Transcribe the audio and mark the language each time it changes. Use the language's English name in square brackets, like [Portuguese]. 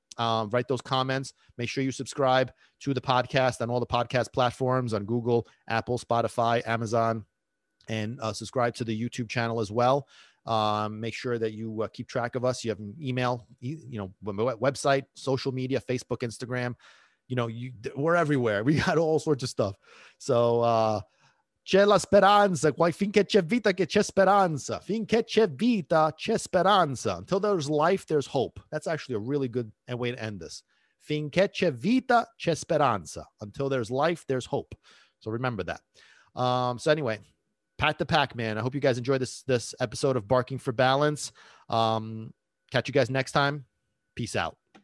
[English] Write those comments. Make sure you subscribe to the podcast on all the podcast platforms on Google, Apple, Spotify, Amazon, and subscribe to the YouTube channel as well. Make sure that you keep track of us. You have an email, website, social media, Facebook, Instagram. You know, we're everywhere. We got all sorts of stuff. [Italian] So, c'è la speranza. Finché c'è vita, che c'è speranza. Finché c'è vita, c'è speranza. [English] Until there's life, there's hope. That's actually a really good way to end this. [Italian] Finché c'è vita, c'è speranza. [English] Until there's life, there's hope. So remember that. So anyway, Pat the Pac-Man. I hope you guys enjoyed this episode of Barking for Balance. Catch you guys next time. Peace out.